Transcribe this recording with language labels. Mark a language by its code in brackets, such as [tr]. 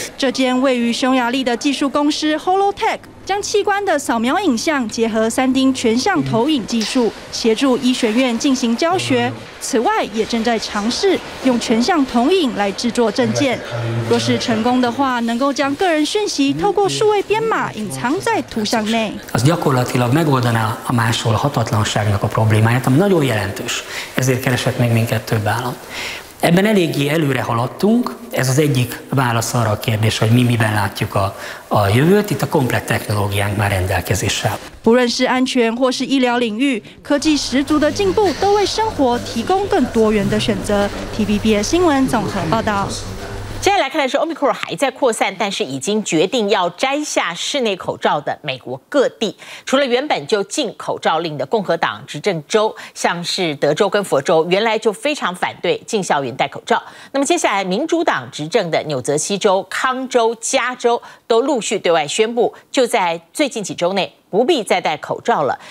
[zh] 这间位于匈牙利的技术公司 Holotech 将器官的扫描影像结合 3D 全向投影技术，协助医学院进行教学。此外，也正在尝试用全向投影来制作证件。若是成功的话，能够将个人讯息透过数位编码隐藏在图像内。 [hu] Az gyakorlatilag megoldaná a másolhatatlanságnak a problémáját, ami nagyon jelentős. Ezért keresett meg minket több állam. Ebben eléggé előre haladtunk. Ez az egyik válasz arra a kérdésre, hogy miben látjuk a jövőt. Itt a komplett technológiánk már rendelkezésre áll. [zh] 不论是安全或是医疗领域，科技十足的进步都为生活提供更多元的选择。 TVBS 新闻综合报道。接下来看的是 Omicron 还在扩散，但是已经决定要摘下室内口罩的美国各地，除了原本就禁口罩令的共和党执政州，像是德州跟佛州原来就非常反对进校园戴口罩，那么接下来民主党执政的纽泽西州、康州、加州都陆续对外宣布，就在最近几周内不必再戴口罩了。